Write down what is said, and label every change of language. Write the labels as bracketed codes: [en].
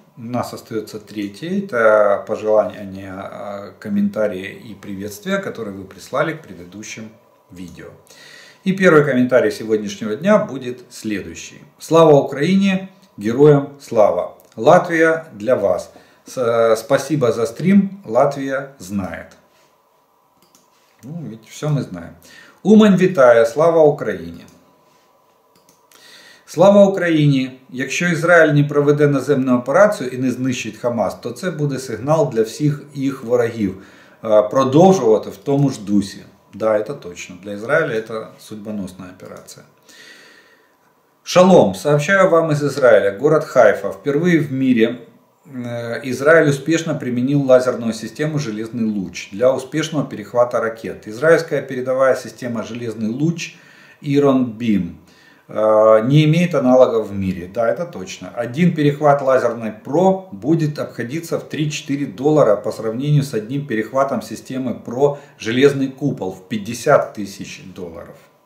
[ru] У нас остается третья. Это пожелания, комментарии и приветствия, которые вы прислали к предыдущим видео. И первый комментарий сегодняшнего дня будет следующий. Слава Украине, героям слава. Латвия для вас. Спасибо за стрим, Латвия знает. Ну, ведь все мы знаем. [uk] Умань вітає, слава Україні. Слава Україні! Якщо Ізраїль не проведе наземну операцію і не знищить Хамас, то це буде сигнал для всіх їх ворогів продовжувати в тому ж дусі. Да, це точно. Для Ізраїля це судьбоносна операція. Шалом! [ru] Сообщаю вам із Ізраїля, город Хайфа, впервые в мире. Израиль успешно применил лазерную систему «Железный луч» для успешного перехвата ракет. Израильская передовая система «Железный луч» Iron Beam не имеет аналогов в мире. Да, это точно. Один перехват лазерной ПРО будет обходиться в 3-4 доллара по сравнению с одним перехватом системы ПРО «Железный купол» в 50 тысяч долларов.